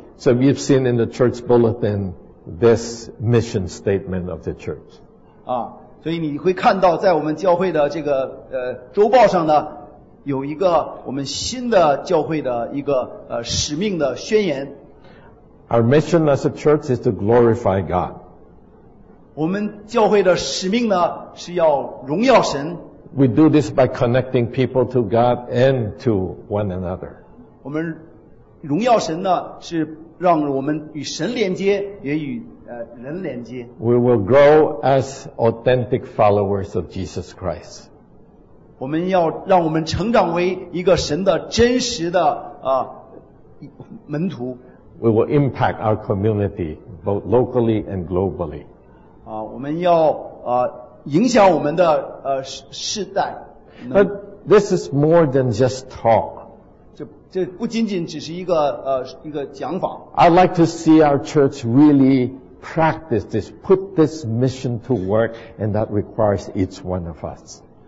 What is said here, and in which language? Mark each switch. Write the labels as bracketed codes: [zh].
[en] So we've seen in the church bulletin this mission statement of the church. [zh] 啊，所以你会看到在我们教会的这个周报上呢。有一个我们新的教会的一个使命的宣言。 [en] Our mission as a church is to glorify God. [zh] 我们教会的使命呢是要荣耀神。 [en] We do this by connecting people to God and to one another. [zh] 我们荣耀神呢是让我们与神连接，也与人连接。 [en] We will grow as authentic followers of Jesus Christ. [zh] 我们要让我们成长为一个神的真实的门徒。 [en] We will impact our community both locally and globally. [zh] 啊，我们要影响我们的世代。 [en] But this is more than just talk. [zh] 这不仅仅只是一个讲法。 [en] I'd like to see our church really practice this, put this mission to work, and that requires each one of us.